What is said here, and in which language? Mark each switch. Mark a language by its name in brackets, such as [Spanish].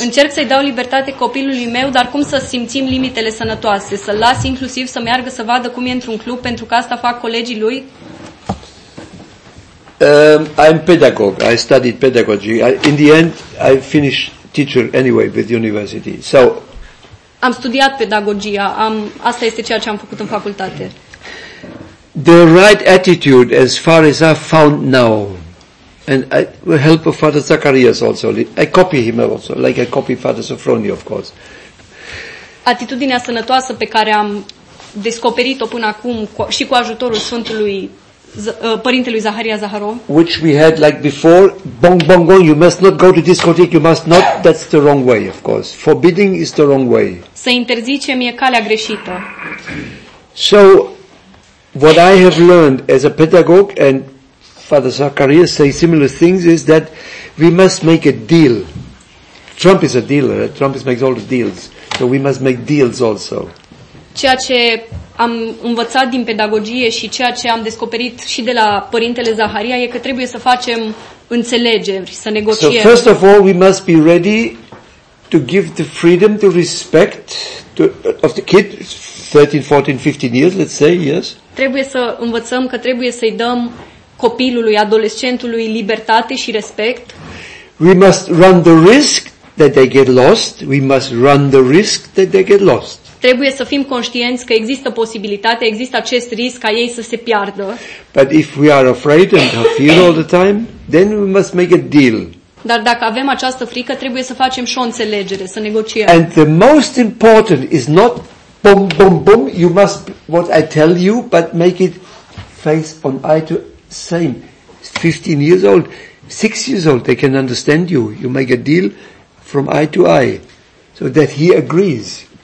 [Romanian] Încerc să-i dau libertate copilului meu, dar cum să simțim limitele sănătoase? Să-l las inclusiv să meargă să vadă cum e într-un club, pentru că asta fac colegii lui? [English] I'm pedagogue. I studied pedagogy. In the end, I finished teacher anyway with university. So, [Romanian] am studiat pedagogia. Asta este ceea ce am făcut în facultate. [English] The right attitude, as far as I found now, and I, with help of Father Zacharias also, I copy him also, like I copy Father Sofronie, of course. [Romanian] Atitudinea sănătoasă pe care am descoperit-o până acum și cu ajutorul Sfântului părinte lui Zaharia Zaharov, [English] which we had like before, bong bong bong, you must not go to discotheque, you must not, that's the wrong way, of course. Forbidding is the wrong way. [Romanian] Să interzicem e calea greșită. [English] So, what I have learned as a pedagogue, and Father Zaharia say similar things, is that we must make a deal. Trump is a dealer, Trump makes all the deals, so we must make deals also. [Romanian] Ceea ce am învățat din pedagogie și ceea ce am descoperit și de la părintele Zaharia e că trebuie să facem înțelegeri, să negociem. [English] So first of all, we must be ready to give the freedom, the respect to, of the kid, 13, 14, 15 years, let's say, yes. [Romanian] Trebuie să învățăm că trebuie să-i dăm copilului, adolescentului libertate și respect. [English] We must run the risk that they get lost. We must run the risk that they get lost. [Romanian] Trebuie să fim conștienți că există posibilitatea, există acest risc ca ei să se piardă. [English] But if we are afraid and have fear all the time, then we must make a deal. [Romanian] Dar dacă avem această frică, trebuie să facem și o înțelegere, să negociem. [English] And the most important is not boom, boom, boom, you must what I tell you, but make it face on eye to same. 15 years old, 6 years old, they can understand you. You make a deal from eye to eye, so that he agrees.